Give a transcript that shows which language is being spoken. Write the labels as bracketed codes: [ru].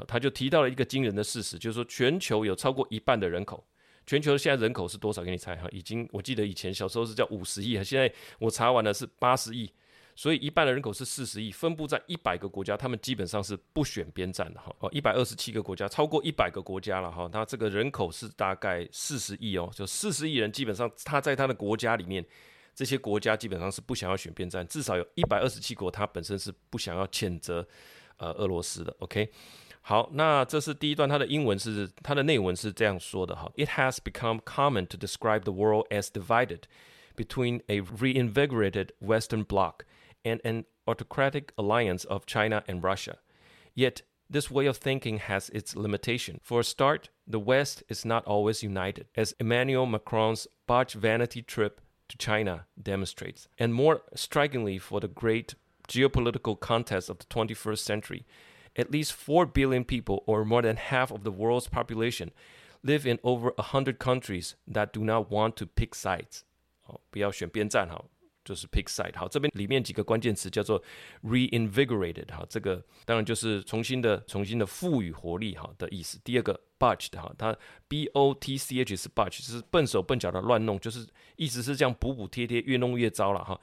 [zh] 他就提到了一个惊人的事实，就是说全球有超过一半的人口，全球现在人口是多少给你猜，已经我记得以前小时候是叫50亿，现在我查完了是80亿，所以一半的人口是40亿，分布在100个国家，他们基本上是不选边站的，127个国家，超过100个国家了，那这个人口是大概40亿哦，就40亿人，基本上他在他的国家里面，这些国家基本上是不想要选边站，至少有127国它本身是不想要谴责俄罗斯的。 OK， 好，那这是第一段，它的英文是它的内文是这样说的， [en] It has become common to describe the world as divided between a reinvigorated Western bloc and an autocratic alliance of China and Russia. Yet this way of thinking has its limitation. For a start, the West is not always united, as Emmanuel Macron's botched vanity tripChina demonstrates. And more strikingly for the great geopolitical contest of the 21st century, at least 4 billion people, or more than half of the world's population, live in over 100 countries that do not want to pick sides. [zh] 不要选边站，就是 pick side。好，这边里面几个关键词叫做 reinvigorated， 这个当然就是重新的赋予活力的意思。第二个 botched， 它 botch 是 botch， 是笨手笨脚的乱弄，就是意思是这样补补贴贴，越弄越糟了。